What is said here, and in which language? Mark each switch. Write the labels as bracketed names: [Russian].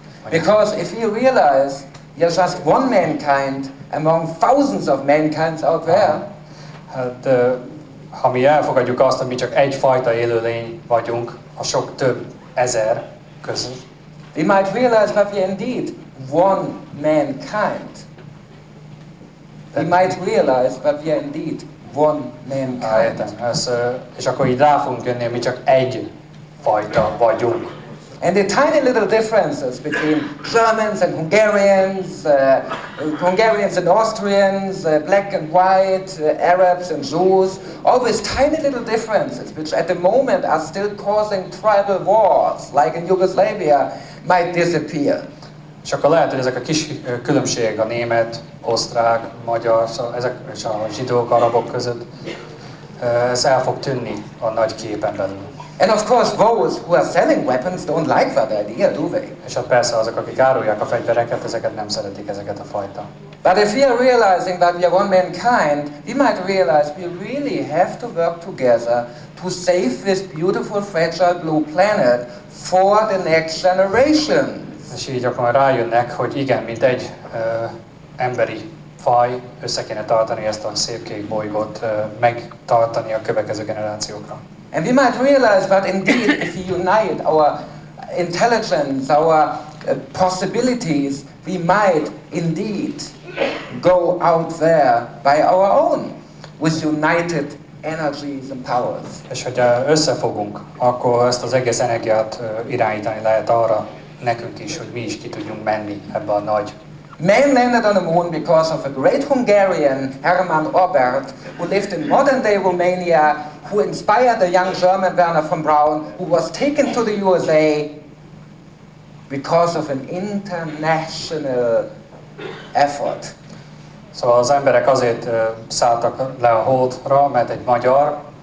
[English] Because if you realize you're just one mankind among thousands of mankinds out there. [Hungarian] Hát, ha mi elfogadjuk azt, hogy mi csak egyfajta élőlény vagyunk a sok több ezer között. [English] We might realize that we indeed one mankind. We might realize that we are indeed one mankind. [Hungarian] És akkor így rá fogunk jönni, mi csak egy fajta vagyunk. [English] And the tiny little differences between Germans and Hungarians, Hungarians and Austrians, black and white, Arabs and Jews, all these tiny little differences which at the moment are still causing tribal wars, like in Yugoslavia, might disappear. [Hungarian] És akkor lehet, hogy ezek a kis különbségek a német, osztrák, magyar, ezek és a zsidók, arabok között, ez el fog tűnni a nagy képen belül. [English] And of course those who are selling weapons don't like that idea, do they? [Hungarian] És hát persze azok, akik árulják a fegyvereket, ezeket nem szeretik, ezeket a fajta. [English] But if we are realizing that we are one mankind, we might realize we really have to work together to save this beautiful, fragile blue planet for the next generation. [Hungarian] És így akkor rájönnek, hogy igen, mint egy emberi faj össze kéne tartani ezt a szép kék bolygót, megtartani a következő generációkra. [English] And we might realize that indeed if we unite our intelligence, our possibilities, we might indeed go out there by our own with united energies and powers. [Hungarian] És hogyha összefogunk, akkor ezt az egész energiát irányítani lehet arra, nekünk is, hogy mi is ki tudjunk menni ebbe a nagy. [English] Man landed on the moon because of a great Hungarian, Hermann Oberth, who lived in modern-day Romania, who inspired a young German, Werner von Braun, who was taken to the USA because of an international effort. [Hungarian] Szóval az emberek azért szálltak le a holdra, mert egy magyar